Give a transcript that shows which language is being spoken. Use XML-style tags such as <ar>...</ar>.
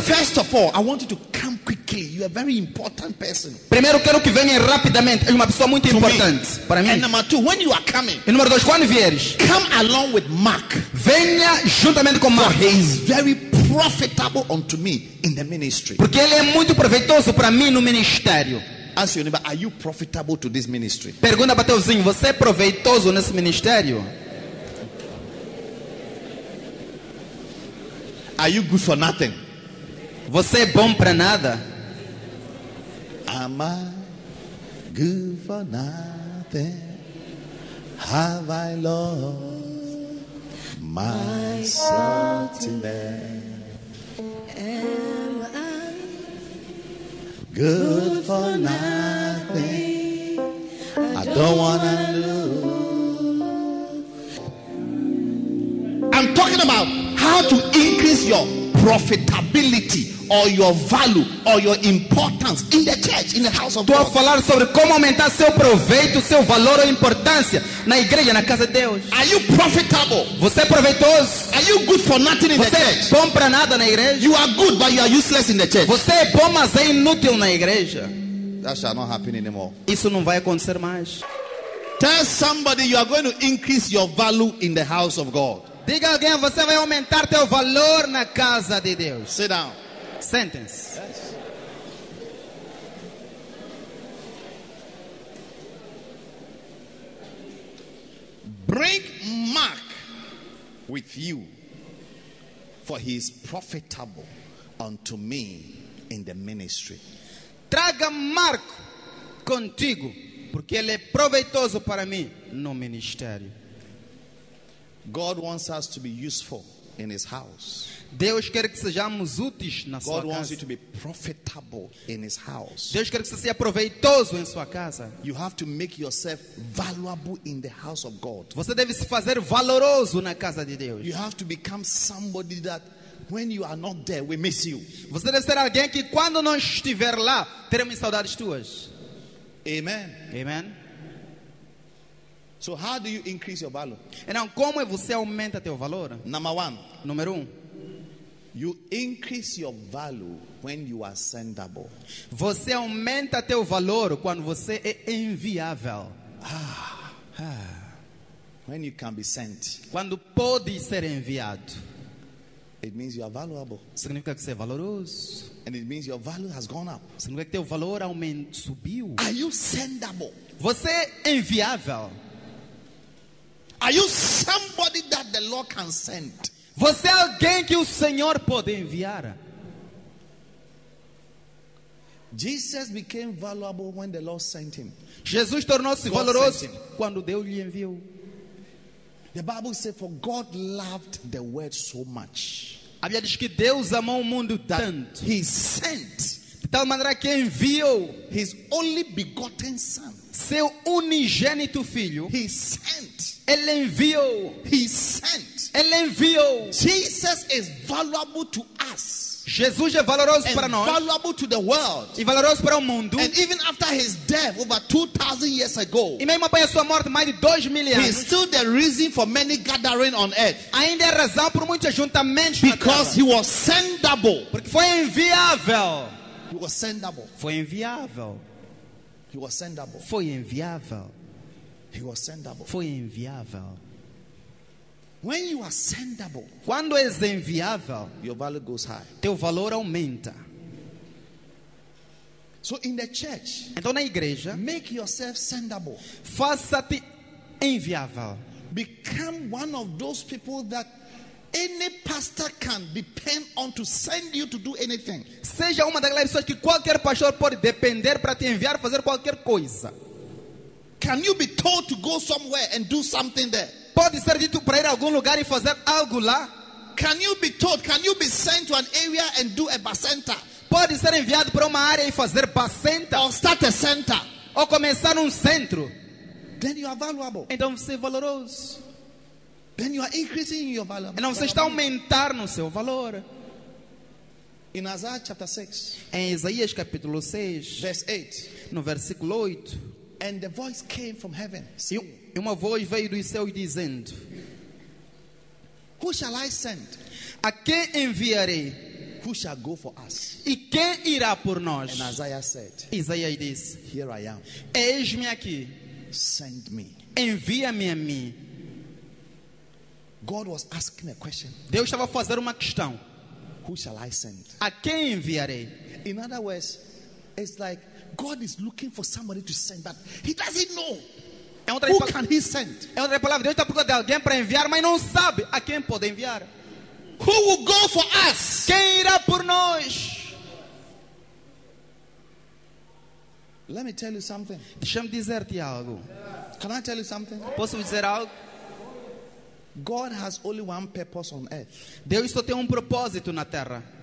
<en>First of all, I want you to come quickly. You are a very important person.</en> <pt>Primeiro, quero que venha rapidamente. É uma pessoa muito importante para mim.</pt> <en>And number two, when you are coming.</en> <pt>E número dois, quando vieres.</pt> <en>Come along with Mark.</en> <pt>Venha juntamente com Mark.</pt> <en>For he is very profitable unto me in the ministry.</en> <pt>Porque ele é muito proveitoso para mim no ministério.</pt> <en>Ask your neighbor, are you profitable to this ministry?</en> <pt>Pergunta para teu vizinho, você é proveitoso nesse ministério?</pt> <en>Are you good for nothing?</en> <pt>Você é bom para nada?</pt> <en>Am I good for nothing? Have I lost my soul today? Good for nothing. I don't wanna lose. I'm talking about how to increase your profitability or your value or your importance in the church, in the house of God.</en> <pt>Estou a falar sobre como aumentar seu proveito, seu valor ou importância na igreja, na casa de Deus.</pt> <en>Are you profitable?</en> <pt>Você é proveitoso?</pt> <en>Are you good for nothing in the church?</en> <pt>Você é bom para nada na igreja?</pt> <en>You are good, but you are useless in the church.</en> <pt>Você é bom, mas é inútil na igreja.</pt> <en>That shall not happen anymore.</en> <pt>Isso não vai acontecer mais.</pt> <en>Tell somebody you are going to increase your value in the house of God.</en> <pt>Diga a alguém, você vai aumentar teu valor na casa de Deus.</pt> <en>Sit down. Sentence. Yes. Bring Mark with you, for he is profitable unto me in the ministry.</en> <pt>Traga Mark contigo, porque ele é proveitoso para mim no ministério.</pt> <en>God wants us to be useful in his house.</en> <pt>Deus quer que sejamos úteis na sua</pt> <en>God</en> <pt>casa.</pt> <en>Wants you to be profitable in his house.</en> <pt>Deus quer que você seja proveitoso em sua casa.</pt> <en>You have to make yourself valuable in the house of God.</en> <pt>Você deve se fazer valoroso na casa de Deus.</pt> <en>You have to become somebody that when you are not there, we miss you.</en> <pt>Você deve ser alguém que quando não estiver lá, teremos saudades tuas.</pt> <en>Amen. Amen. So how do you increase your value?</en> <pt>Então, como você aumenta teu valor?</pt> <en>Number one.</en> <pt>Número um.</pt> <en>You increase your value when you are sendable.</en> <pt>Você aumenta teu valor quando você é enviável.</pt> <en>When you can be sent.</en> <pt>Quando pode ser enviado.</pt> <en>It means you are valuable.</en> <pt>Significa que você é valoroso.</pt> <en>And it means your value has gone up.</en> <pt>Significa que teu valor aumentou, subiu.</pt> <en>Are you sendable?</en> <pt>Você é enviável.</pt> <en>Are you somebody that the Lord can send?</en> <pt>Você é alguém que o Senhor pode enviar.</pt> <en>Jesus became valuable when the Lord sent him.</en> <pt>Jesus tornou-se valoroso quando Deus lhe enviou.</pt> <en>The Bible says, for God loved the world so much.</en> <pt>A Bíblia diz que Deus amou o mundo tanto.</pt> <en>He sent.</en> <pt>De tal maneira que enviou.</pt> <en>His only begotten son.</en> <pt>Seu unigênito filho.</pt> <en>He sent.</en> <pt>Ele enviou.</pt> <en>He sent.</en> <pt>Ele enviou.</pt> <en>Jesus is valuable to us.</en> <pt>Jesus é valoroso para nós.</pt> <en>Valuable to the world.</en> <pt>E valoroso para o mundo.</pt> <en>And even after his death over 2000 years ago.</en> <pt>E mesmo após a sua morte mais de 2000 anos.</pt> <en>He is still the reason for many gathering on earth.</en> <pt>Ainda é razão por muitos juntamentos.</pt> <en>Because he was sendable.</en> <pt>Porque foi enviável.</pt> <en>He was sendable.</en> <pt>Foi enviável.</pt> <en>He was sendable.</en> <pt>Foi enviável.</pt> <en>He was sendable.</en> <pt>Foi enviável.</pt> <en>When you are sendable,</en> <pt>quando és enviável,</pt> <en>your value goes high.</en> <pt>Teu valor aumenta.</pt> <en>So in the church,</en> <pt>então na igreja,</pt> <en>make yourself sendable.</en> <pt>Faça-te enviável.</pt> <en>Become one of those people that any pastor can depend on to send you to do anything.</en> <pt>Seja uma daquelas pessoas que qualquer pastor pode depender para te enviar fazer qualquer coisa.</pt> <en>Can you be told to go somewhere and do something there?</en> <pt>Pode ser dito para ir a algum lugar e fazer algo lá?</pt> <en>Can you be told? Can you be sent to an area and do a bacenta?</en> <pt>Pode ser enviado para uma área e fazer bacenta?</pt> <en>Or start a center?</en> <pt>Ou começar num centro?</pt> <en>Then you are valuable.</en> <pt>Então você é valoroso.</pt> <en>Then you are increasing your value.</en> <pt>Então você está aumentando no seu valor.</pt> <en>In Isaiah chapter 6.</en> <pt>Em Isaías capítulo 6.</pt> <en>Verse 8.</en> <pt>No versículo 8.</pt> <en>And the voice came from heaven. Saying,</en> <pt>e uma voz veio dos céus dizendo:</pt> <en>Who shall I send?</en> <pt>A quem enviarei?</pt> <en>Who shall go for us?</en> <pt>E quem irá por nós?</pt> <en>And Isaiah said,</en> <pt>Isaías disse:</pt> <en>Here I am.</en> <pt>Eis-me aqui.</pt> <en>Send me.</en> <pt>Envia-me a mim.</pt> <en>God was asking a question.</en> <pt>Deus estava a fazer uma questão.</pt> <en>Who shall I send?</en> <pt>A quem enviarei?</pt> <en>In other words, it's like God is looking for somebody to send, but he doesn't know. Who can he send?</en> <pt>É outra palavra. Deus está procurando alguém para enviar, mas não sabe a quem pode enviar.</pt> <en>Who will go for us?</en> <pt>Quem irá por nós?</pt> <en>Let me tell you something.</en> <pt>Deixa-me dizer-te algo.</pt> <en>Can I tell you something?</en> <pt>Posso dizer algo?</pt> <en>God has only one purpose on earth.</en> <pt>Deus só tem propósito na terra.</pt>